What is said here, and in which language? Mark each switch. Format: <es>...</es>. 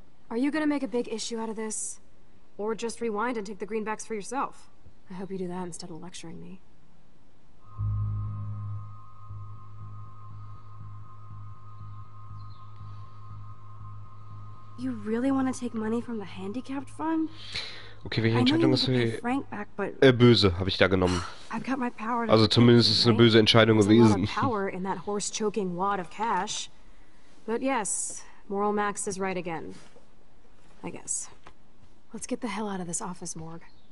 <en>Are you gonna make a big issue out of this? Or just rewind and take the greenbacks for yourself? I hope you do that instead of lecturing me. You really want to take money from the handicapped fund?</en> <de>Okay, welche Entscheidung ist hier? Böse, habe ich da genommen. Also zumindest ist es eine böse Entscheidung gewesen.</de> <en>Power in that horse-choking wad of cash. But yes, Moral Max is right again. I guess. Let's get the hell out of this office, morgue.</en>